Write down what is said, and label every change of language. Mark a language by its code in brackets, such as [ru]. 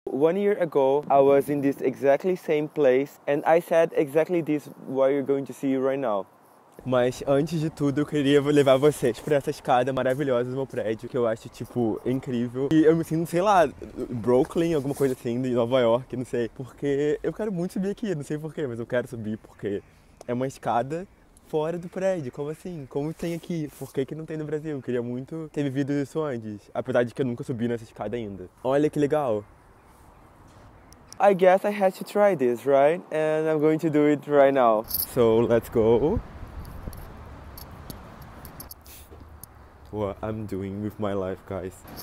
[en] 1 year ago, I was in this exactly same place and I said exactly this what you're going to see right now. [pt] Mas antes de tudo, eu queria levar vocês pra essa escada maravilhosa do meu prédio, que eu acho, tipo, incrível. E eu me sinto, sei lá, Brooklyn, alguma coisa assim, de Nova York, não sei. Porque eu quero muito subir aqui, não sei porquê, mas eu quero subir porque é uma escada fora do prédio. Como assim? Como tem aqui? Por que que não tem no Brasil? Eu queria muito ter vivido isso antes. Apesar de que eu nunca subi nessa escada ainda. Olha que legal. [en] I guess I have to try this, right? And I'm going to do it right now. So, let's go. What I'm doing with my life, guys.